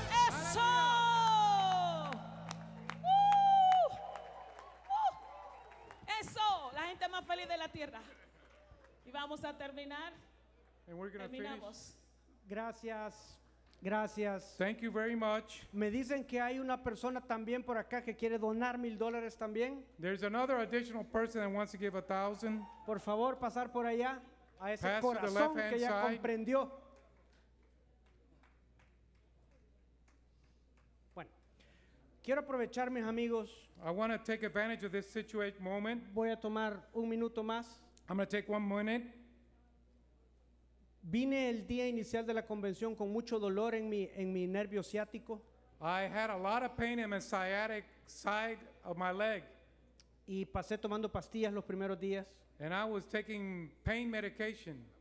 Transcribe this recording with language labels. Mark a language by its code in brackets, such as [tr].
[es] ¡Eso! ¡Eso! La gente más feliz de la tierra. Y vamos a terminar. [en] And we're gonna [es] terminamos. [en] Finish. [es] Gracias, gracias. [en] Thank you very much. [es] Me dicen que hay una persona también por acá que quiere donar $1,000 también. [en] There's another additional person that wants to give $1,000. [es] Por favor, pasar por allá a ese pass corazón que ya side. Comprendió. Bueno, quiero aprovechar, mis amigos. [en] I want to take advantage of this situation moment. [es] Voy a tomar un minuto más. [en] I'm going to take 1 minute. [es] Vine el día inicial de la convención con mucho dolor en mi nervio ciático. [en] I had a lot of pain in my sciatic side of my leg. [es] Y pasé tomando pastillas los primeros días. [en] And I was taking pain medication.